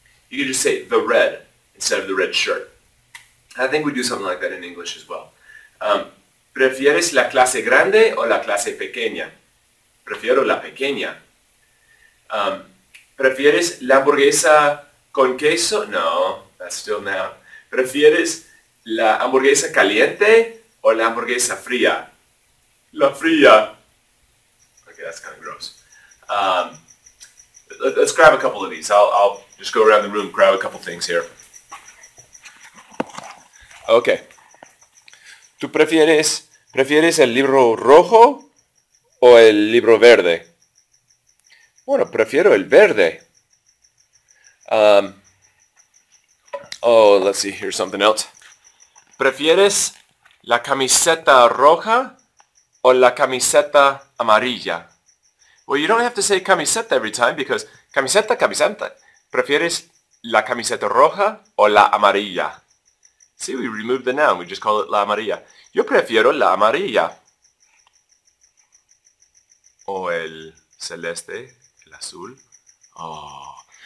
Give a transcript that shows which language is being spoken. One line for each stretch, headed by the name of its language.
English: You can just say the red instead of the red shirt. I think we do something like that in English as well.
Spanish: ¿Prefieres la clase grande o la clase pequeña? Prefiero la pequeña. ¿Prefieres la hamburguesa con queso? No,
English: that's still now.
Spanish: ¿Prefieres la hamburguesa caliente o la hamburguesa fría? La fría.
English: Okay, that's kind of gross. Let's grab a couple of these. I'll just go around the room, grab a couple things here. Okay.
Spanish: ¿Tú prefieres el libro rojo o el libro verde? Bueno, prefiero el verde.
English: Let's see, here's something else.
Spanish: ¿Prefieres la camiseta roja o la camiseta amarilla?
English: Well, you don't have to say camiseta every time because camiseta, camiseta.
Spanish: ¿Prefieres la camiseta roja o la amarilla?
English: See, we removed the noun. We just call it
Spanish: la amarilla. Yo prefiero la amarilla. O el celeste, el azul. Oh.